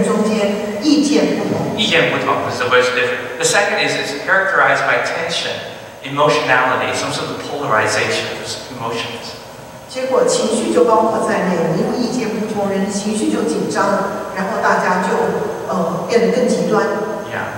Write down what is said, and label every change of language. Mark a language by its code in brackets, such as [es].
[zh] 冲突的定义，第一点就是说两个人或两群人中间意见不同。意见不同 [en] is the worst difference. The second is it's characterized by tension, emotionality, some sort of polarization of emotions. [zh] 结果情绪就包括在内，因为意见不同，人的情绪就紧张，然后大家就变得更极端。 [en] Yeah,